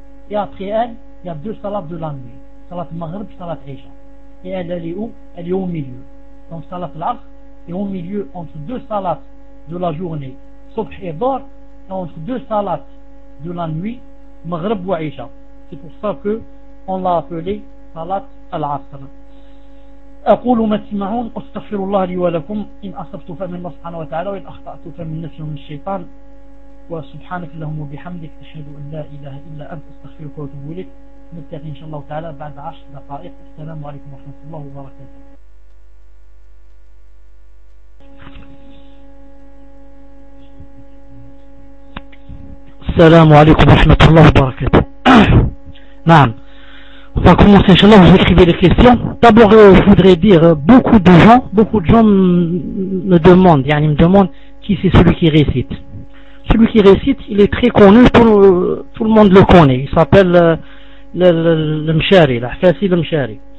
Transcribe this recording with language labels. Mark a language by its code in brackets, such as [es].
[fr] Et après elle, il y a deux salats de la nuit. Salat Maghrib, salat Isha. Et elle est où? Elle est au milieu. Donc Salat al-Asr est au milieu entre deux salats de la journée, Subh et Dhuhr, et entre deux salats de la nuit, Maghrib ou Isha. C'est pour ça que on l'a appelé Salat al-Asr. [ar] أقول ما تسمعون أستغفر الله لي ولكم إن أصبت فمن الله سبحانه وتعالى وإن أخطأت فمن نفسي ومن الشيطان وسبحانك اللهم وبحمدك أشهد أن لا إله إلا أنت أستغفرك وأتوب إليك نلتقي إن شاء الله تعالى بعد 10 دقائق السلام عليكم ورحمة الله وبركاته السلام عليكم ورحمة الله وبركاته نعم. [fr] On va commencer, Inch'Allah, vous écrivez les questions. D'abord, je voudrais dire, beaucoup de gens me demandent, qui c'est celui qui récite. Celui qui récite, il est très connu, tout le monde le connaît. Il s'appelle le Mshari, l'Afasi, le Mshari.